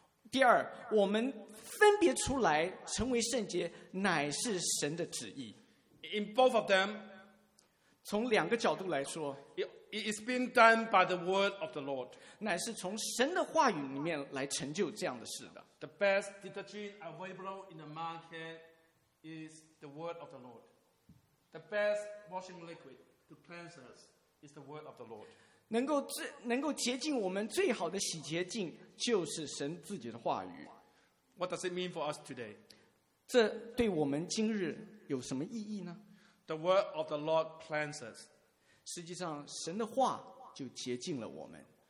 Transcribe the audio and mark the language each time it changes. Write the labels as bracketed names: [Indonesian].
[Chinese] 第二我们分别出来成为圣洁乃是神的旨意 [English] In both of them [Chinese] 从两个角度来说 [English] It is being done by the word of the Lord [Chinese] 乃是从神的话语里面来成就这样的事的 [English] The best detergent available in the market is the word of the Lord. The best washing liquid to cleanse us is the word of the Lord. [Chinese] 能够洁净我们最好的洗洁净就是神自己的话语。 [English] What does it mean for us today? [Chinese] 这对我们今日有什么意义呢？ [English] The word of the Lord cleanses. [Chinese] 实际上神的话就洁净了我们。